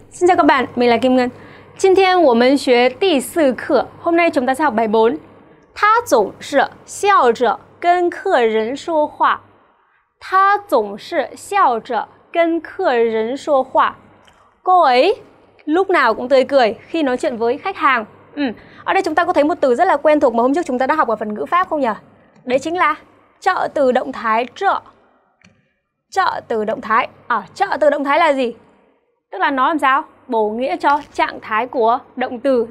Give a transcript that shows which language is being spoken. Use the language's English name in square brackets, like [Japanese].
[Vietnamese] xin chào các bạn, mình là Kim Ngân. [Chinese] 今天我们学第四课。 [Vietnamese] hôm nay chúng ta sẽ học bài bốn. [Chinese] 他总是笑着跟客人说话。他总是笑着跟客人说话。 [Vietnamese] cô ấy lúc nào cũng tươi cười khi nói chuyện với khách hàng. Ở đây chúng ta có thấy một từ rất là quen thuộc mà hôm trước chúng ta đã học ở phần ngữ pháp không nhỉ? Đấy chính là trợ từ động thái trợ. Trợ từ động thái. Trợ từ động thái là gì? Tức là nó làm sao? Bổ nghĩa cho trạng thái của động từ.